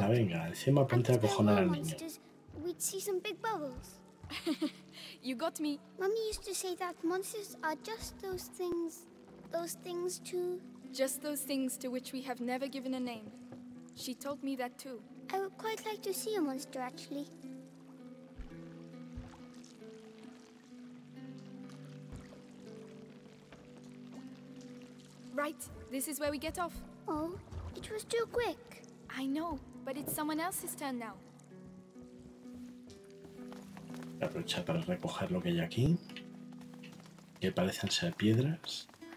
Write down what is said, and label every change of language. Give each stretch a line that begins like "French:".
Spanish: Ah, venga, encima ponte a acojonar al niño.
English: We'd see some big bubbles. You got me. Mommy used to say that monsters are just those things. Those things too. Just those things to which we have never given a name. She told me that too. I would quite like to see a monster, actually. Right, this is where we get off. Oh, it was too quick. I know, but it's someone else's turn now.
Spanish: Aprovechar para recoger lo que hay aquí, que parecen ser piedras.